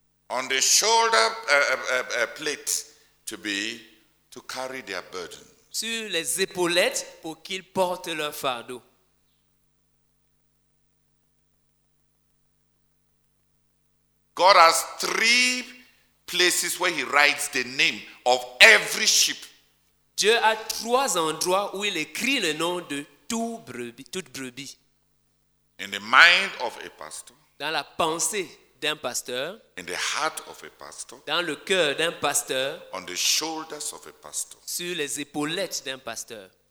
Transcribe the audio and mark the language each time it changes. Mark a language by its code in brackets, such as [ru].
[en] On the shoulder plate to carry their burden. [fr] Sur les épaulettes pour qu'ils portent leur fardeau. [en] God has three places where he writes the name of every sheep. [fr] Dieu a trois endroits où il écrit le nom de toute brebis. [en] In the mind of a pastor. [fr] Dans la pensée d'un pasteur. [en] In the heart of a pastor. [fr] Dans le cœur d'un pasteur. [en] On the shoulders of a pastor. [fr] Sur les épaulettes d'un pasteur.